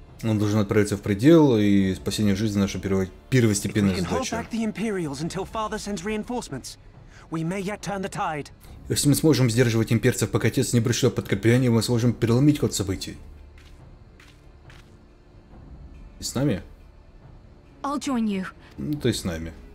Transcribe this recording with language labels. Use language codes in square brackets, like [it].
[ru] Он должен отправиться в предел, и спасение жизни наша первостепенная задача. [en] We can hold back the Imperials until Father sends reinforcements. We may yet turn the tide. [ru] Если мы сможем сдерживать имперцев, пока отец не пришлет подкрепление, мы сможем переломить ход событий. И с нами? [en] I'll join you. [ru] Ну, ты с нами.